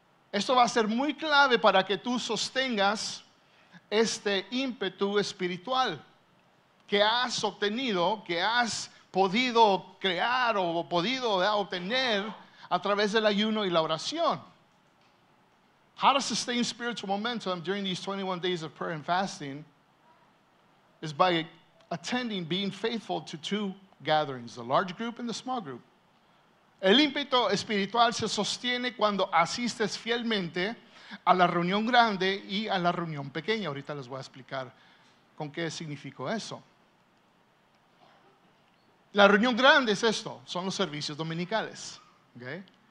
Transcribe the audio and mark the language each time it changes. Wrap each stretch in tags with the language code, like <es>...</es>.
<es>Esto va a ser muy clave para que tú sostengas este ímpetu espiritual que has obtenido, que has podido crear o podido, ¿verdad?, obtener a través del ayuno y la oración.</es> <en>How to sustain spiritual momentum during these 21 days of prayer and fasting is by attending, being faithful to two gatherings, the large group and the small group.</en> <es>El ímpetu espiritual se sostiene cuando asistes fielmente a la reunión grande y a la reunión pequeña. Ahorita les voy a explicar con qué significó eso. La reunión grande es esto, son los servicios dominicales. ¿Okay?</es>